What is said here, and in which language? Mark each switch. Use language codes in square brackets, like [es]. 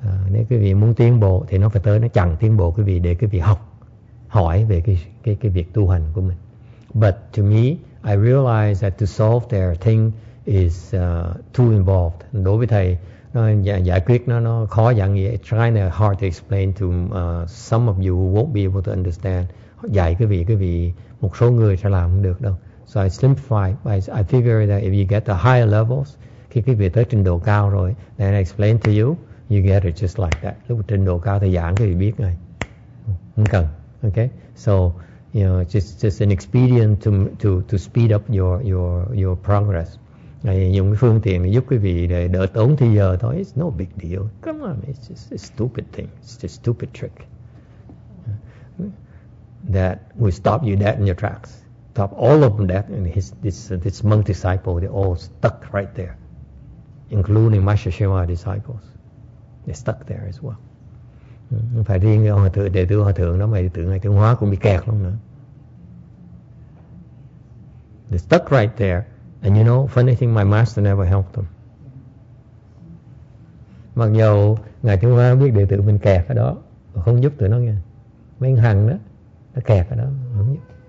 [vi] Nếu quý vị muốn tiến bộ thì nó phải tới, nó chặn tiến bộ quý vị để quý vị học hỏi về cái việc tu hành của mình. [en] But to me, I realize that to solve their thing is too involved. [vi] Đối với thầy, nó giải quyết nó khó dạy nghĩa. [en] It's kind of hard to explain to some of you who won't be able to understand. [vi] Dạy quý vị, một số người sẽ làm không được đâu. [en] So I simplify. I figure that if you get to higher levels, [vi] khi quý vị tới trình độ cao rồi, [en] then I explain to you, you get it just like that. [vi] Lúc trình độ cao thì giảng quý vị biết ngay. Không cần. [en] Okay, so you know, just an expedient to speed up your progress. [vi] Dùng cái phương tiện để giúp quý vị để đỡ tốn thời giờ thôi. [en] It's no big deal. Come on, it's just a stupid thing. It's just a stupid trick that will stop you dead in your tracks. Stop all of them dead, and this monk disciple, they're all stuck right there, including Master Shema disciples. They're stuck there as well. [vi] Không phải riêng ông hòa thượng, đệ tử hòa thượng đó, mà đệ tử ngài Tiểu Hóa cũng bị kẹt luôn nữa. [en] They're stuck right there. And you know, funny thing, my master never helped them. [vi] Mặc dù ngài Tiểu Hóa biết đệ tử mình kẹt ở đó, không giúp tụi nó nghe. Mấy anh Hằng đó, nó kẹt ở đó, không giúp.